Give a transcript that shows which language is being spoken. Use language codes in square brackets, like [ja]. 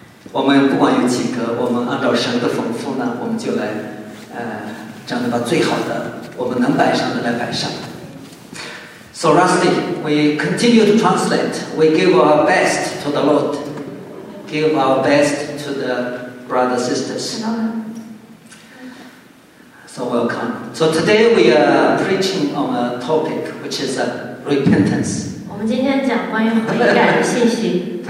[zh] 我们不管有几个，我们按照神的吩咐呢，我们就来这样的把最好的我们能摆上的来摆上。 [en] So Rusty, we continue to translate. We give our best to the Lord. Give our best to the brothers sisters. So welcome. So today we are preaching on a topic which is repentance. [zh] 我们今天讲关于悔改的信息。